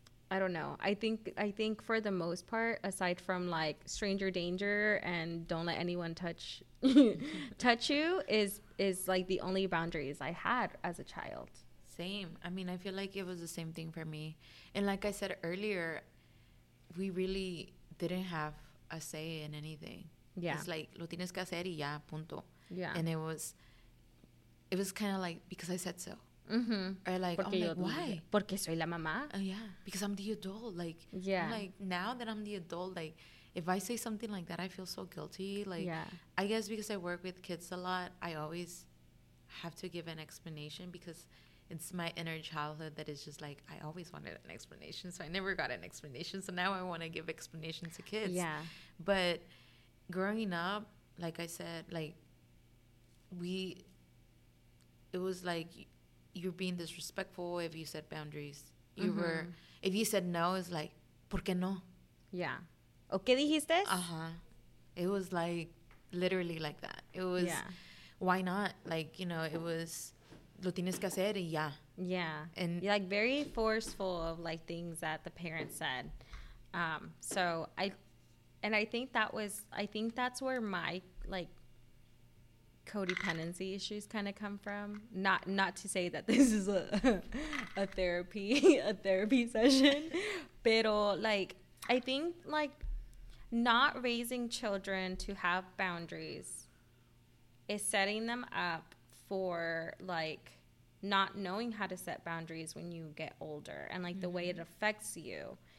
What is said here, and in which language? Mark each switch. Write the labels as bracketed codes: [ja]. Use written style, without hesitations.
[en] I don't know. I think for the most part, aside from like stranger danger and don't let anyone touch you is like the only boundaries I had as a child. Same. I mean, I feel like it was the same thing for me. And like I said earlier, we really didn't have a say in anything. Yeah. It's like, [es] lo tienes que hacer y ya, punto. [en] Yeah. And it was kind of like, because I said so. Mm-hmm. Or like, oh, like, why? [es] Porque soy la mamá. [en] Yeah. Because I'm the adult. Like, yeah. Like, now that I'm the adult, like, if I say something like that, I feel so guilty. Like, yeah. I guess because I work with kids a lot, I always have to give an explanation because it's my inner childhood that is just like, I always wanted an explanation. So I never got an explanation. So now I want to give explanation to kids. Yeah. But growing up, like I said, like, it was like, you're being disrespectful if you set boundaries. You mm-hmm. were, if you said no, it's like, [es] ¿por qué no? [en] Yeah. [es] ¿O qué dijiste? [en] Uh-huh. It was like, literally like that. It was, yeah. Why not? Like, you know, it was, [es] lo tienes que hacer y ya. [en] Yeah. And you're like very forceful of like things that the parents said. I think that's where my like codependency issues kind of come from. Not to say that this is a therapy session, [es] pero [en] like I think like not raising children to have boundaries is setting them up for like not knowing how to set boundaries when you get older and like mm-hmm. the way it affects you.